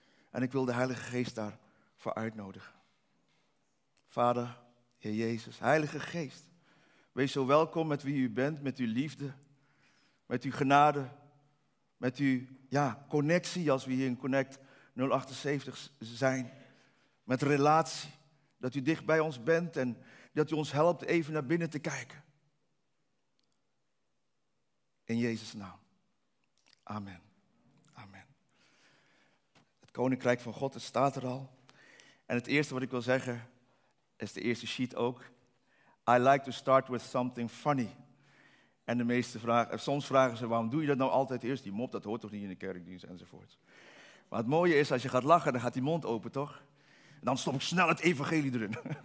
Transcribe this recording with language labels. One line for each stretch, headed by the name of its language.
Dutch: En ik wil de Heilige Geest daarvoor uitnodigen. Vader, Heer Jezus, Heilige Geest, wees zo welkom met wie u bent, met uw liefde, met uw genade, met uw connectie, als we hier in Connect 078 zijn, met relatie, dat u dicht bij ons bent en dat u ons helpt even naar binnen te kijken. In Jezus' naam. Amen. Amen. Het Koninkrijk van God, het staat er al. En het eerste wat ik wil zeggen, is de eerste sheet ook.
English: I like to start with something funny.
Dutch: En de meeste vragen, soms vragen ze, waarom doe je dat nou altijd eerst? Die mop, dat hoort toch niet in de kerkdienst enzovoort. Maar het mooie is, als je gaat lachen, dan gaat die mond open, toch? En dan stop ik snel het evangelie erin.